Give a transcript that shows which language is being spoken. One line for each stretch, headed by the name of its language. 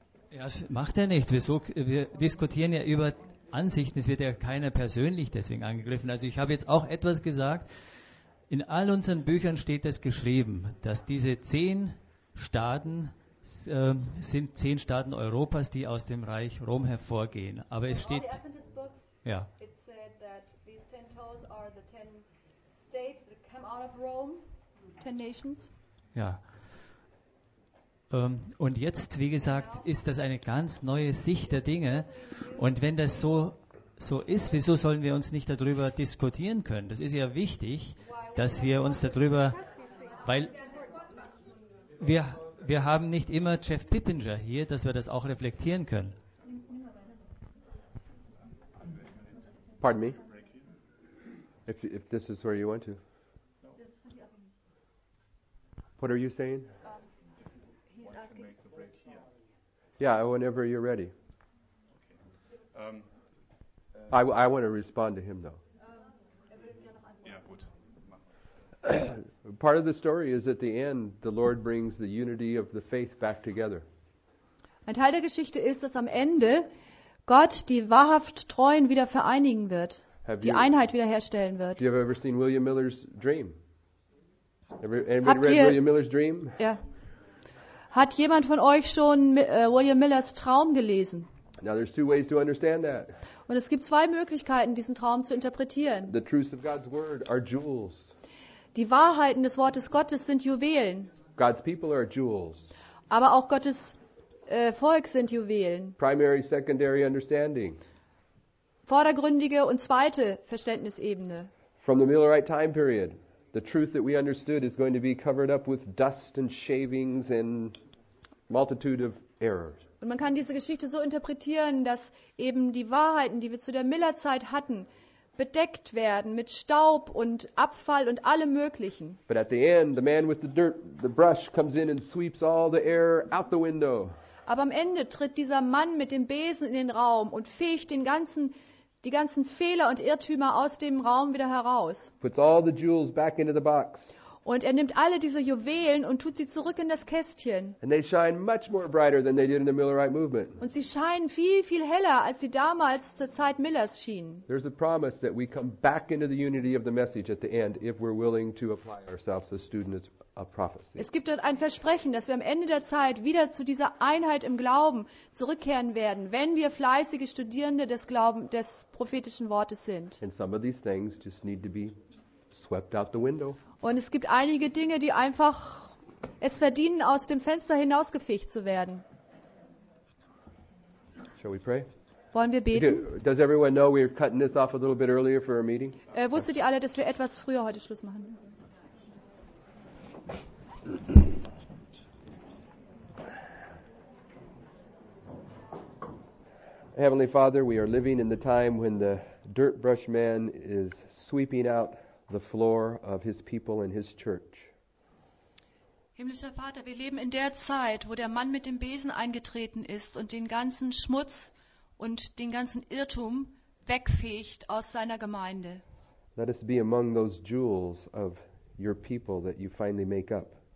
German: Ja, macht ja nichts. Wir diskutieren ja über Ansichten. Es wird ja keiner persönlich deswegen angegriffen. Also ich habe jetzt auch etwas gesagt. In all unseren Büchern steht das geschrieben, dass diese 10 Staaten sind 10 Staaten Europas, die aus dem Reich Rom hervorgehen. Aber es steht...
English: Books, Yeah. It said that these 10 toes are the 10 states that come out of Rome, 10 nations.
German: Ja. Und jetzt, wie gesagt, ist das eine ganz neue Sicht der Dinge. Und wenn das so ist, wieso sollen wir uns nicht darüber diskutieren können? Das ist ja wichtig, dass wir uns darüber, weil wir haben nicht immer Jeff Pippinger hier, dass wir das auch reflektieren können.
English: Pardon me? If this is where you want to. What are you saying? Yeah, whenever you're ready. Okay. I want to respond to him, though. Part of the story is at the end, the Lord brings the unity of the faith back together.
German: Ein Teil der Geschichte ist, dass am Ende Gott die wahrhaft Treuen wieder vereinigen wird, die Einheit wiederherstellen wird.
English: Do you have ever seen William Miller's Dream? Anybody read William Miller's Dream? Yeah.
German: Hat jemand von euch schon William Millers Traum gelesen?
English: Now there's two ways to understand that.
German: Und es gibt zwei Möglichkeiten, diesen Traum zu interpretieren.
English: The truths of God's word are jewels.
German: Die Wahrheiten des Wortes Gottes sind Juwelen.
English: God's people are jewels.
German: Aber auch Gottes Volk sind Juwelen.
English: Primary, secondary understanding.
German: Vordergründige und zweite Verständnisebene.
English: From the Millerite time period. The truth that we understood is going to be covered up with dust and shavings and multitude of errors.
German: Und man kann diese Geschichte so interpretieren, dass eben die Wahrheiten, die wir zu der Millerzeit hatten, bedeckt werden mit Staub und Abfall und allem Möglichen.
English: But at the end, the man with the dirt, the brush comes in and sweeps all the air out the window.
German: Aber am Ende tritt dieser Mann mit dem Besen in den Raum und fegt den ganzen die ganzen Fehler und Irrtümer aus dem Raum wieder heraus.
English: Puts all the jewels back into the box.
German: Und er nimmt alle diese Juwelen und tut sie zurück in das Kästchen.
English: And they shine much more brighter than they did in the Millerite movement.
German: Und sie scheinen viel, viel heller, als sie damals zur Zeit Millers schienen.
English: There's a promise that we come back into the unity of the message at the end if we're willing to apply ourselves as students of prophecy.
German: Es gibt dort ein Versprechen, dass wir am Ende der Zeit wieder zu dieser Einheit im Glauben zurückkehren werden, wenn wir fleißige Studierende des Glaubens, des prophetischen Wortes sind.
English: And some of these things just need to be swept out the window.
German: Und es gibt einige Dinge, die einfach es verdienen, aus dem Fenster hinausgefegt zu werden.
English: Shall we pray?
German: Wollen wir beten?
English: Does everyone know we're cutting this off a little bit earlier for a meeting?
German: Wusstet ihr alle, dass wir etwas früher heute Schluss machen?
English: Heavenly Father, we are living in the time when the dirt brush man is sweeping out the floor of his people and his church.
German: Himmlischer Vater, wir leben in der Zeit, wo der Mann mit dem Besen eingetreten ist und den ganzen Schmutz und den ganzen Irrtum wegfegt aus seiner Gemeinde.
English: Let us be among those jewels of your people that you finally make up.